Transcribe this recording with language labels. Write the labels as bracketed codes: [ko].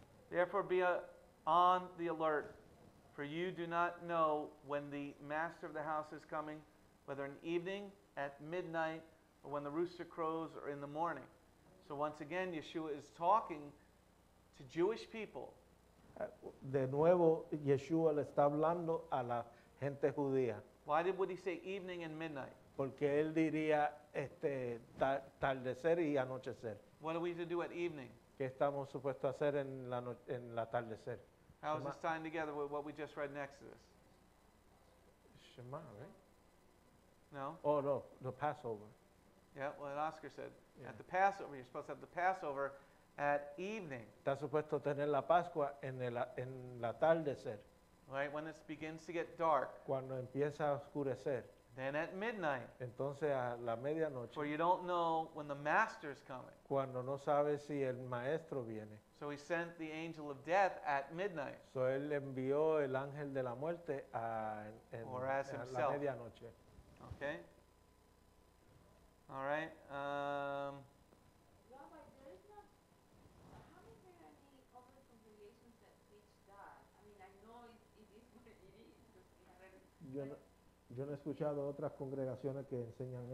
[en] Therefore be on the alert, for you do not know when the master of the house is coming, whether in the evening, at midnight, or when the rooster crows, or in the morning. So once again, Yeshua is talking to Jewish people. [es] De nuevo, Yeshua le está hablando a la gente judía. [en] Why would he say evening and midnight? [es] Porque él diría atardecer y anochecer. [en] What are we to do at evening? [es] ¿Qué estamos supuestos a hacer en la atardecer? [en] How is this tying together with what we just read in Exodus? Shema, right? No. Oh, no, the Passover. Yeah, what Oscar said. Yeah. At the Passover, you're supposed to have the Passover at evening. [es] Está supuesto tener la Pascua en la atardecer. [en] Right, when it begins to get dark. [es] Cuando empieza a oscurecer. [en] Then at midnight. [es] Entonces a la medianoche. [en] For you don't know when the master is coming. [es] Cuando no sabe si el maestro viene. [en] So he sent the angel of death at midnight. [es] So él envió el ángel de la muerte a la medianoche. [en] Okay. All right. Rabbi, there is not. How is there any other congregations that teach that? I mean, I know it is what it is. [es] Yo no he escuchado otras congregaciones que enseñan